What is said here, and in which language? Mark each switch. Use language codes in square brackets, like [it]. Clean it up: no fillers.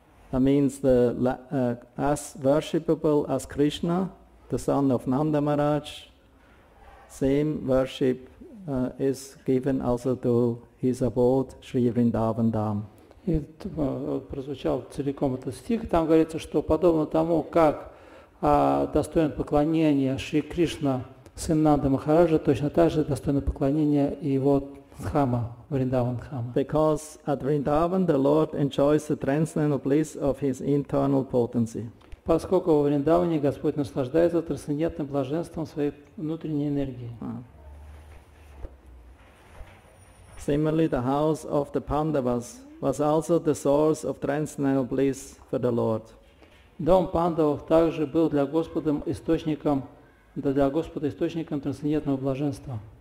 [en] That means the as worshipable as Krishna, the son of Nanda Maharaj, same worship is given also to his abode, Sri Vrindavan Dham. [ru] И прозвучал целиком этот стих, там говорится, что подобно тому, как достоин поклонения Шри Кришна, сын Нанда Махараджа, точно так же достойно поклонения и его Дхама, Вриндаван Дхама. [en] Because at Vrindavan the Lord enjoys the transcendental bliss of his internal potency. [ru] Поскольку во Вриндаване Господь наслаждается трансцендентным блаженством своей внутренней энергии. [en] Similarly, the house of the Pandavas was also the source of transcendental bliss for the Lord. [ru] Дом Пандавов также был для Господа источником трансцендентного блаженства.